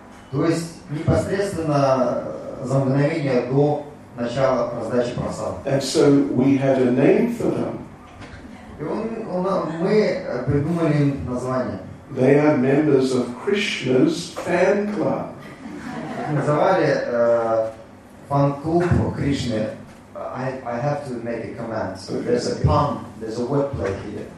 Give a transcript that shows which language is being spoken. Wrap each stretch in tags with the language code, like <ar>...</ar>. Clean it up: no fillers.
<ru>То есть непосредственно за мгновение до начала раздачи прасада.</ru> <en>And so we had a name for them.</en> <ru>И мы придумали им название.</ru> <en>They are members of Krishna's fan club.</en> <ru>Называли фан-клуб Кришны.</ru> <en>I have to make a comment. So okay, there's a pun, there's a wordplay here.</en>